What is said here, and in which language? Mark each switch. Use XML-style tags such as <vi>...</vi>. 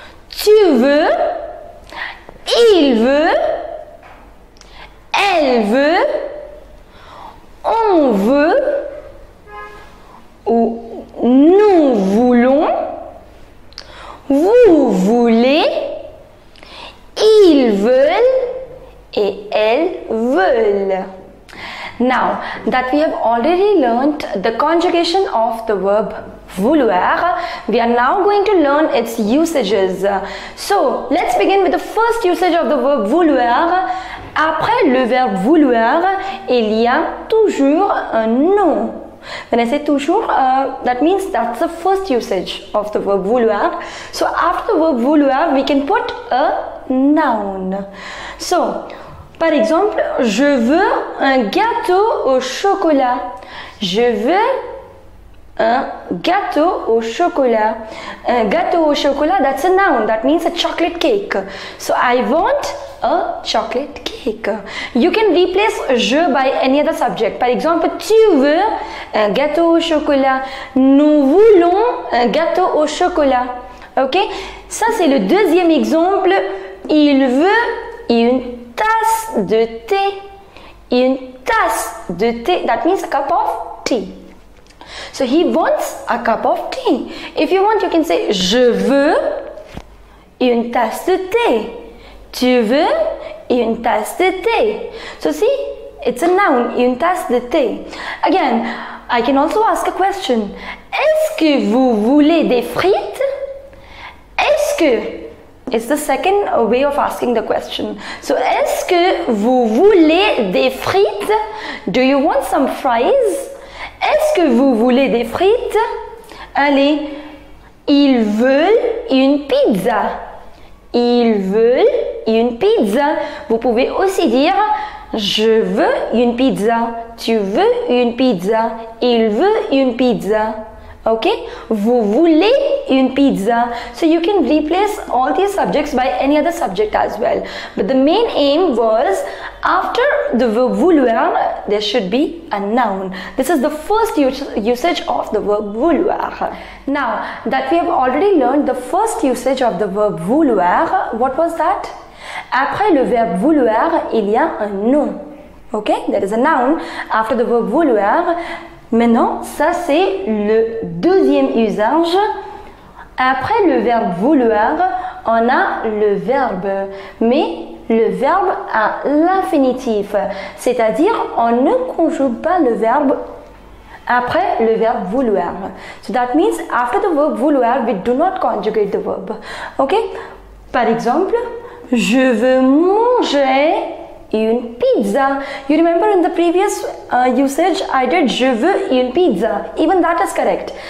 <fr>Tu veux, il veut, elle veut, on veut, ou nous voulons, vous voulez, ils veulent et elles veulent.</fr> <en>Now that we have already learned the conjugation of the verb vouloir, we are now going to learn its usages. So, let's begin with the first usage of the verb vouloir.</en> <fr>Après le verbe vouloir, il y a toujours un nom.</fr> <en>When I say toujours, that means that's the first usage of the verb vouloir. So, after the verb vouloir, we can put a noun.</en> <fr>So, par exemple, je veux un gâteau au chocolat. Je veux un gâteau au chocolat. Un gâteau au chocolat,</fr> <en>that's a noun. That means a chocolate cake. So, I want a chocolate cake. You can replace je by any other subject.</en> <fr>Par exemple, tu veux un gâteau au chocolat. Nous voulons un gâteau au chocolat. Ok? Ça, c'est le deuxième exemple. Il veut une tasse de thé. Une tasse de thé.</fr> <en>That means a cup of tea. So, he wants a cup of tea. If you want, you can say,</en> <fr>je veux une tasse de thé. Tu veux une tasse de thé.</fr> <en>So, see, it's a noun,</en> <fr>une tasse de thé.</fr> <en>Again, I can also ask a question.</en> <fr>Est-ce que vous voulez des frites? Est-ce que?</fr> <en>It's the second way of asking the question.</en> <fr>So, est-ce que vous voulez des frites?</fr> <en>Do you want some fries?</en> <fr>Est-ce que vous voulez des frites? Allez, ils veulent une pizza. Ils veulent une pizza. Vous pouvez aussi dire, je veux une pizza. Tu veux une pizza. Il veut une pizza. Okay, vous voulez une pizza?</fr> <en>So you can replace all these subjects by any other subject as well. But the main aim was after the verb vouloir, there should be a noun. This is the first usage of the verb vouloir. Now that we have already learned the first usage of the verb vouloir, what was that?</en> <fr>Après le verbe vouloir, il y a un nom.</fr> <en>Okay, there is a noun after the verb vouloir.</en> <fr>Maintenant, ça c'est le deuxième usage. Après le verbe vouloir, on a le verbe. Mais le verbe à l'infinitif. C'est-à-dire, on ne conjugue pas le verbe après le verbe vouloir.</fr> <en>So that means, after the verb vouloir, we do not conjugate the verb.</en> <fr>Ok? Par exemple, je veux manger une pizza.</fr> <en>You remember in the previous usage, I did</en> <fr>je veux une pizza.</fr> <en>Even that is correct.</en>